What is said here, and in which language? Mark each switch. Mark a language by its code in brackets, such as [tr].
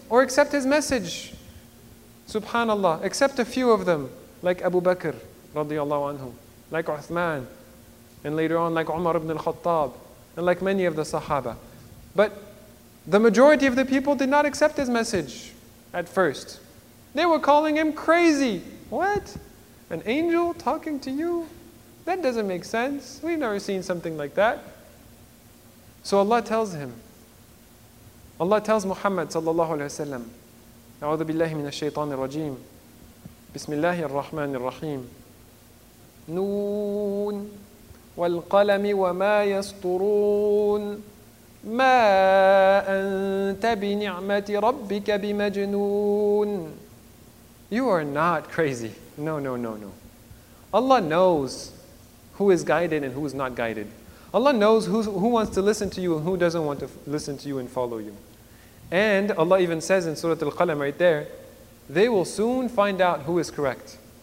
[en] or accept his message. Subhanallah, accept a few of them, like Abu Bakr radiallahu anhu, like Uthman, and later on like Umar ibn al-Khattab, and like many of the Sahaba. But the majority of the people did not accept his message at first. They were calling him crazy. What? An angel talking to you? That doesn't make sense. We've never seen something like that. So Allah tells him, Allah tells Muhammad sallallahu alayhi wa sallam, [ar] أعوذ بالله من الشيطان الرجيم بسم الله الرحمن الرحيم نون والقلم وما يسطرون ما أنت بنعمة ربك بمجنون. [en] You are not crazy. No. Allah knows who is guided and who is not guided. Allah knows who wants to listen to you and who doesn't want to listen to you and follow you. And Allah even says in Surah Al-Qalam right there, they will soon find out who is correct.